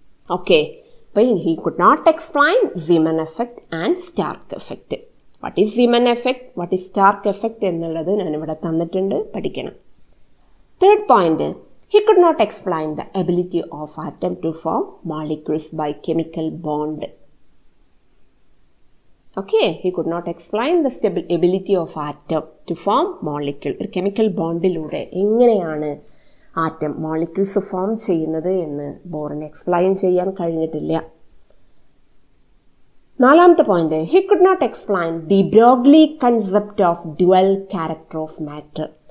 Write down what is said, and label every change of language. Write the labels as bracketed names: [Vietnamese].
[English] Okay, അപ്പോൾ he could not explain Zeeman effect and Stark effect. What is Zeeman effect, what is Stark effect [Malayalam] എന്നുള്ളത് ഞാനിവിടെ തന്നിട്ടുണ്ട്, പഠിക്കണം. [English] Third point, he could not explain the ability of atom to form molecules by chemical bond. Okay, he could not explain the ability of atom to form molecule. [Malayalam] ഒരു chemical ബോണ്ടിലൂടെ എങ്ങനെയാണ് atom molecules form ചെയ്യുന്നത് എന്ന് ബോറിന് explain ചെയ്യാൻ കഴിഞ്ഞിട്ടില്ല. നാലാമത്തെ point, [English] He could not explain the Broglie concept of dual character of matter.